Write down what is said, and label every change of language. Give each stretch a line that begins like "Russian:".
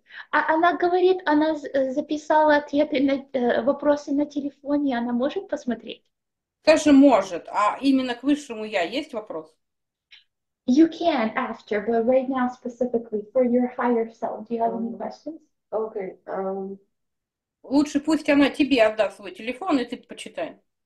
Russian: Она говорит, она записала ответы на вопросы на телефоне, она может посмотреть? Тоже может, а именно к высшему я есть вопрос?
English: You can after, but right now specifically for your higher self, do you have any questions? Okay,
Russian: Лучше пусть она тебе отдаст свой телефон, и ты почитай.